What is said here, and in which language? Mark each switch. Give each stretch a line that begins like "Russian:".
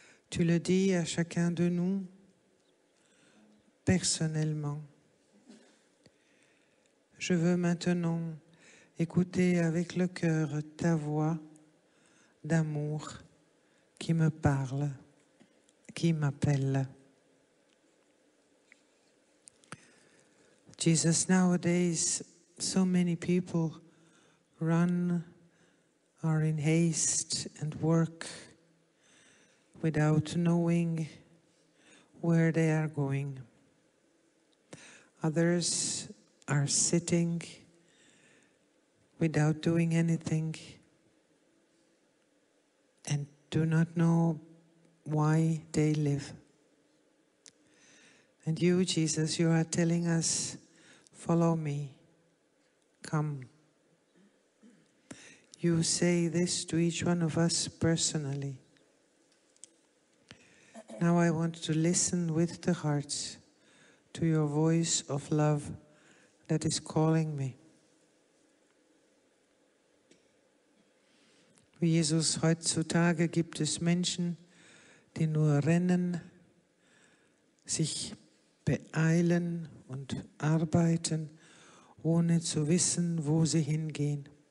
French: Tu le dis à chacun de nous, personnellement. Je veux maintenant écouter avec le cœur ta voix d'amour qui me parle, qui m'appelle.
English: Jesus, nowadays, so many people run, are in haste and work without knowing where they are going. Others are sitting without doing anything and do not know why they live. And you, Jesus, you are telling us, follow me, come. You say this to each one of us personally. Now I want to listen with the heart to your voice of love that is calling me.
German: Wie Jesus, heutzutage gibt es Menschen, die nur rennen, sich beeilen und arbeiten, ohne zu wissen, wo sie hingehen.